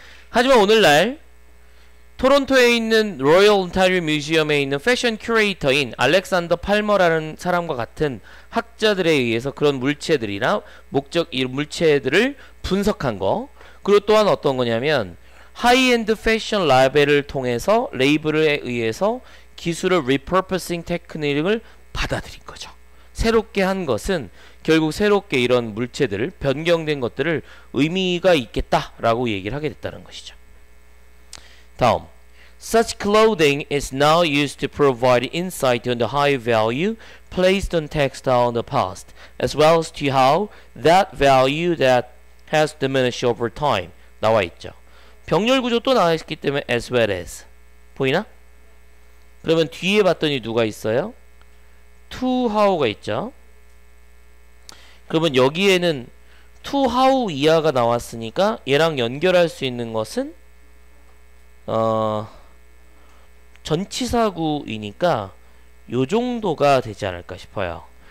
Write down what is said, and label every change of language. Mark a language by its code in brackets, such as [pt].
[ko] 하지만 오늘날 토론토에 있는 로열 온타리오 뮤지엄에 있는 패션 큐레이터인 알렉산더 팔머라는 사람과 같은 학자들에 의해서 그런 물체들이나 목적 이 물체들을 분석한 거, 그리고 또한 어떤 거냐면 하이엔드 패션 라벨을 통해서 레이블에 의해서 기술을 리퍼퍼싱 테크닉을 받아들인 거죠. 새롭게 한 것은 결국 새롭게 이런 물체들을 변경된 것들을 의미가 있겠다라고 얘기를 하게 됐다는 것이죠. 다음, [en] such clothing is now used to provide insight on the high value placed on textile in the past, as well as to how that value that has diminished over time [ko] 나와 있죠. 병렬 구조 또 나와 있기 때문에 [en] as well as [ko] 보이나? 그러면 뒤에 봤더니 누가 있어요? [en] to how [ko] 가 있죠. 그러면 여기에는 [en] to how [ko] 이하가 나왔으니까 얘랑 연결할 수 있는 것은 전치사구이니까 요 정도가 되지 않을까 싶어요.